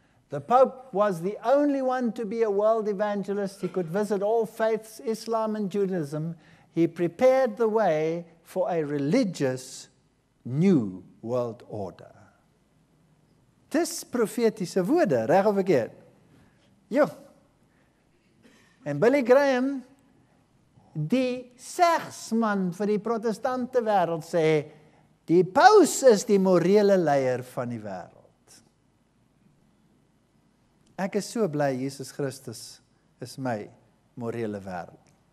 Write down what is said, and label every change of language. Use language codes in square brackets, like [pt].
[en] The Pope was the only one to be a world evangelist. He could visit all faiths, Islam and Judaism. He prepared the way for a religious new world order. [af] Dis profetiese woorde, reg of verkeerd? Jo. En Billy Graham, die segsman vir die protestante wêreld, sê die paus is die morele leier van die wêreld. Ek is so bly Jesus Christus is my morele wêreld.